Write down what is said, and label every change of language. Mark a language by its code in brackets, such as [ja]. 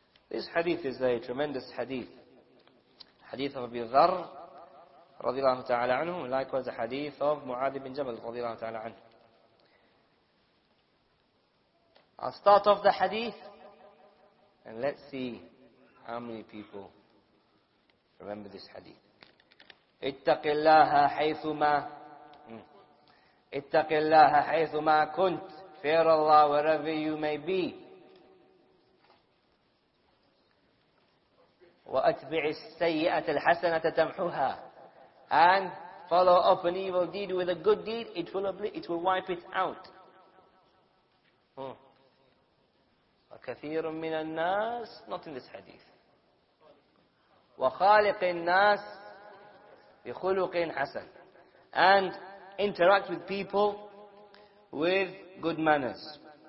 [en] Hadith number 18. This hadith is a tremendous hadith. Hadith of Abi Dharr, radiallahu ta'ala anhu, likewise the hadith of Mu'adh ibn Jabal, radiallahu ta'ala anhu. I'll start off the hadith, and let's see how many people remember this hadith. [ar] اتق الله حيثما اتق الله حيثما كنت, [en] fear Allah wherever you may be. [ar] واتبع السيئة الحسنة تمحوها, [en] and follow up an evil deed with a good deed, it will wipe it out. [ar] وكثير من الناس, [en] not in this hadith. [ar] وخالق الناس بخلق حسن, [en] and interact with people with good manners.